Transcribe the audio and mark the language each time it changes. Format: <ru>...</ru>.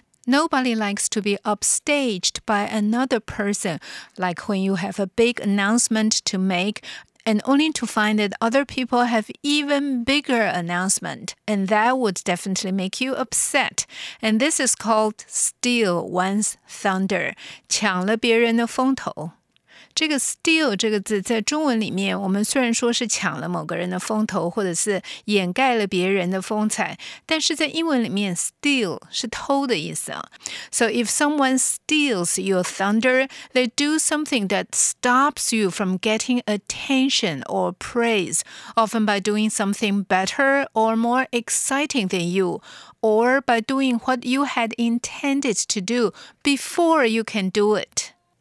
<en>Nobody likes to be upstaged by another person, like when you have a big announcement to make and only to find that other people have even bigger announcement. And that would definitely make you upset. And this is called steal one's thunder,</en> <zh>抢了别人的风头。这个 steal 这个字在中文里面，我们虽然说是抢了某个人的风头，或者是掩盖了别人的风采，但是在英文里面 steal 是偷的意思啊。</zh> <en>So if someone steals your thunder, they do something that stops you from getting attention or praise, often by doing something better or more exciting than you, or by doing what you had intended to do before you can do it.</en>